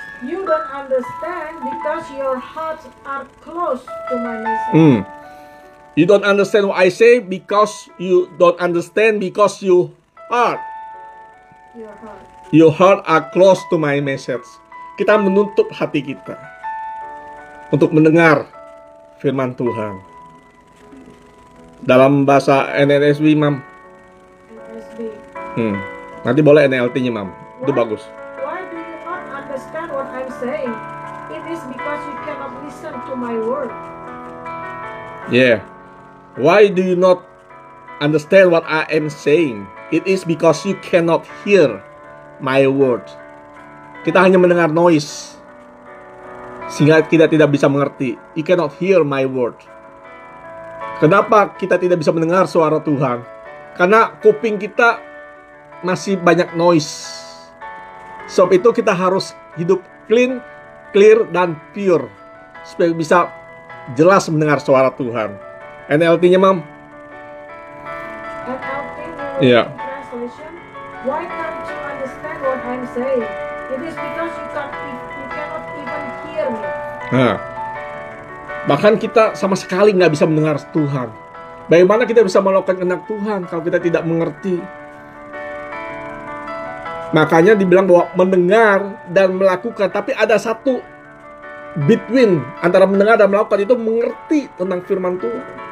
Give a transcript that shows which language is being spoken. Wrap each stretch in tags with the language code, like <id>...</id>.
<en>You don't understand because your hearts are close to my message. Mm. You don't understand what I say because you don't understand because you heart. Your heart are close to my message.</en> <id>Kita menutup hati kita untuk mendengar firman Tuhan. Dalam bahasa NLSB, Mam. NLSB. Nanti boleh NLT-nya, Mam.</id> <en>Why?</en> <id>Itu bagus.</id> <en>Why do you not understand what I'm saying? It is because you cannot listen to my word. Yeah. Why do you not understand what I am saying? It is because you cannot hear my word.</en> <id>Kita hanya mendengar noise. Sehingga kita tidak bisa mengerti.</id> <en>You cannot hear my word.</en> <id>Kenapa kita tidak bisa mendengar suara Tuhan? Karena kuping kita masih banyak noise. Sebab itu kita harus hidup clean, clear, dan pure. Supaya bisa jelas mendengar suara Tuhan. NLT-nya, Mam?</id> <en>NLT-nya, yeah. Why can't you understand what I'm saying? It is because you cannot even hear me.</en> <id>Nah. Bahkan kita sama sekali nggak bisa mendengar Tuhan. Bagaimana kita bisa melakukan kehendak Tuhan kalau kita tidak mengerti? Makanya dibilang bahwa mendengar dan melakukan, tapi ada satu between antara mendengar dan melakukan, itu mengerti tentang firman Tuhan.</id>